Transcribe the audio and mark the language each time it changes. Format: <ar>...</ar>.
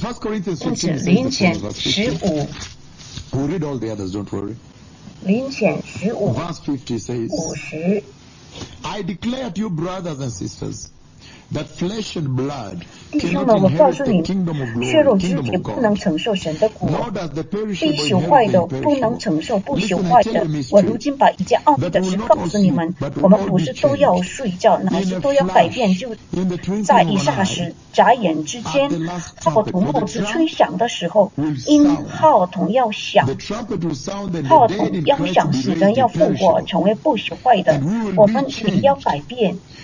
<zh>因此林前十五，五十，五十，林前十五，五十。</zh> <en>I declare to you, brothers and sisters, that flesh and blood cannot inherit the kingdom of glory.</en> <zh>血肉之体不能承受神的国。必朽坏的不能承受不朽坏的。我如今把一件奥秘的事告诉你们，我们不是都要睡觉，乃是都要改变，就在一霎时。眨眼之间，号筒末次吹响的时候，因号筒要响，号筒要响，死人要复活，成为不朽坏的，我们也要改变。</zh>